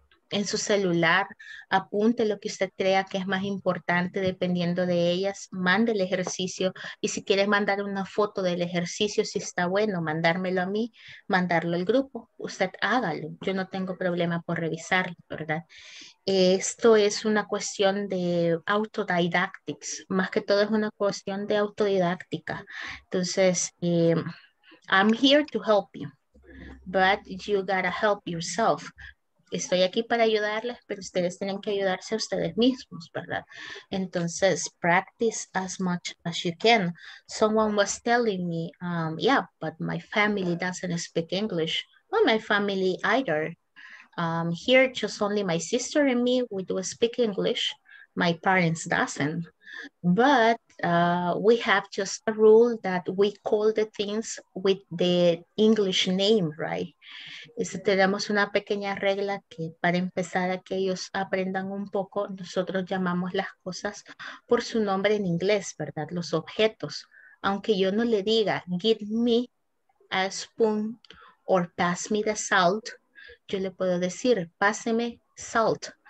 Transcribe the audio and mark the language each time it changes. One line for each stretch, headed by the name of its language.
Spanish: en su celular, apunte lo que usted crea que es más importante dependiendo de ellas, mande el ejercicio y si quiere mandar una foto del ejercicio, si está bueno, mandármelo a mí, mandarlo al grupo, usted hágalo, yo no tengo problema por revisarlo, ¿verdad? Esto es una cuestión de autodidactics, más que todo es una cuestión de autodidáctica.
English: Entonces, I'm here to help you, but you gotta help yourself.
Spanish: Estoy aquí para ayudarles, pero ustedes tienen que ayudarse a ustedes mismos, ¿verdad?
English: Entonces, practice as much as you can. Someone was telling me, yeah, but my family doesn't speak English. Well, my family either. Here, just only my sister and me, we do speak English. My parents doesn't. But we have just a rule that we call the things with the English name, right?
Spanish: Tenemos una pequeña regla que para empezar a que ellos aprendan un poco, nosotros llamamos las cosas por su nombre en inglés, ¿verdad? Los objetos. Aunque yo no le diga,
English: give me a spoon or pass me the salt,
Spanish: yo le puedo decir, páseme salt.